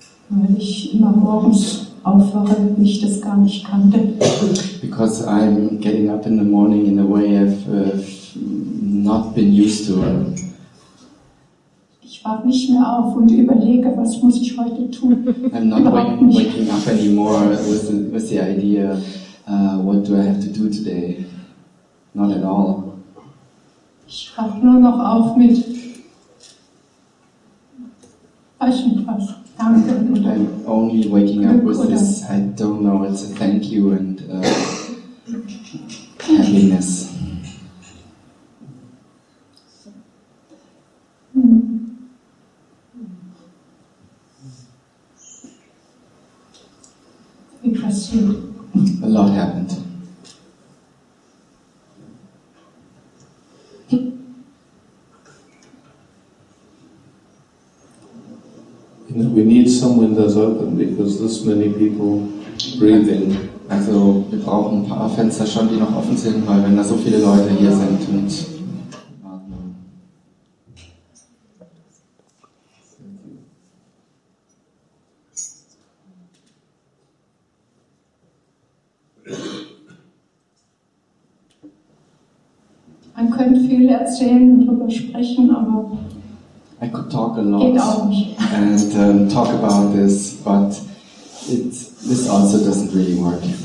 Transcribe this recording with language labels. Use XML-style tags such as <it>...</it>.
<de>Weil ich immer morgens aufwache, ich das gar nicht kannte.</de> <en>Because I'm getting up in the morning in a way I've not been used to.</en> <de>Ich wache nicht mehr auf und überlege, was muss ich heute tun.</de> <en>I'm not waking up anymore with the idea, what do I have to do today? Not at all.</en> <de>Ich wache nur noch auf mit</de> <en>I'm only waking up with this, I don't know, it's a thank you and happiness. A lot happened. We need some windows open because this many people breathing.</en> <de>Also, wir brauchen ein paar Fenster schon, die noch offen sind, weil wenn da so viele Leute hier sind und man könnte viel erzählen und drüber sprechen, aber</de> <en>I could talk a lot and talk about this, but this also doesn't really work.</en>